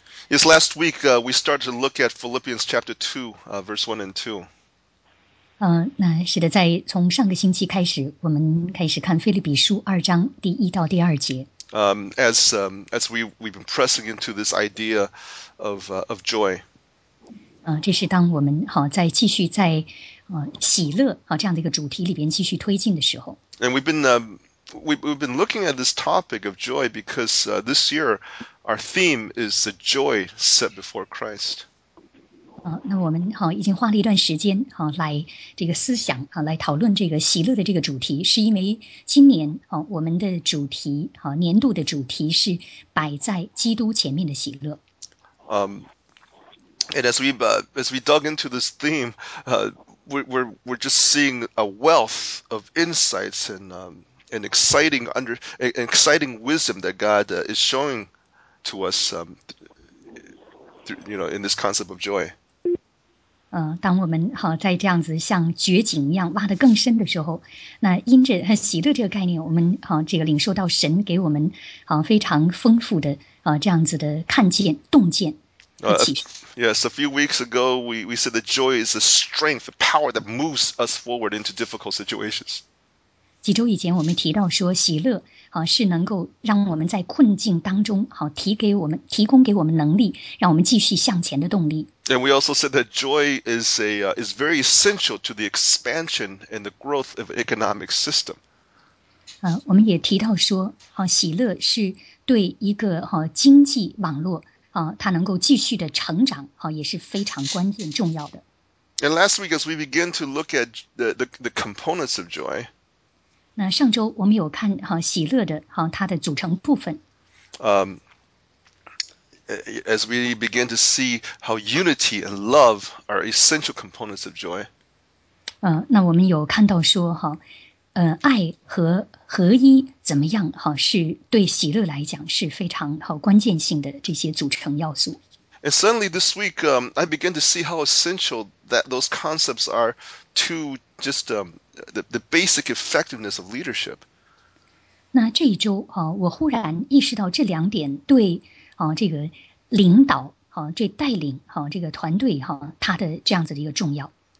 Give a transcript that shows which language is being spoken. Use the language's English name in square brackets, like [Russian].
[English] Yes, last week we started to look at Philippians chapter 2, verse 1 and 2. [Chinese] 那是的，在从上个星期开始，我们开始看腓立比书二章第一到第二节。 [English] As we've been pressing into this idea of joy. [Chinese] 这是当我们好在继续在喜乐好这样的一个主题里边继续推进的时候。 [English] And we've been looking at this topic of joy because this year our theme is the joy set before Christ. [Chinese] 那我们好已经花了一段时间好来这个思想好来讨论这个喜乐的这个主题，是因为今年好我们的主题好年度的主题是摆在基督前面的喜乐。 [English] And as we dug into this theme, we're just seeing a wealth of insights and exciting wisdom that God is showing to us, in this concept of joy. [Chinese] 当我们好在这样子像掘井一样挖得更深的时候，那因着和喜乐这个概念，我们好这个领受到神给我们好非常丰富的这样子的看见、洞见和启示。 [English] Yes, a few weeks ago, we said that joy is the strength, the power that moves us forward into difficult situations. [Chinese] 几周以前我们提到说喜乐是能够让我们在困境当中提供给我们能力让我们继续向前的动力。 [English] And we also said that joy is very essential to the expansion and the growth of economic system. [Chinese] 我们也提到说喜乐是对一个经济网络它能够继续的成长也是非常关键重要的。 [English] And last week as we begin to look at the components of joy, [Chinese] 那上周我们有看喜乐的它的组成部分。 [English] As we begin to see how unity and love are essential components of joy. [Chinese] 那我们有看到说爱和合一怎么样是对喜乐来讲是非常关键性的这些组成要素。 [English] And suddenly this week, I begin to see how essential that those concepts are to just the basic effectiveness of leadership. [Chinese] 那这一周我忽然意识到这两点对这个领导这带领这个团队它的这样子的一个重要。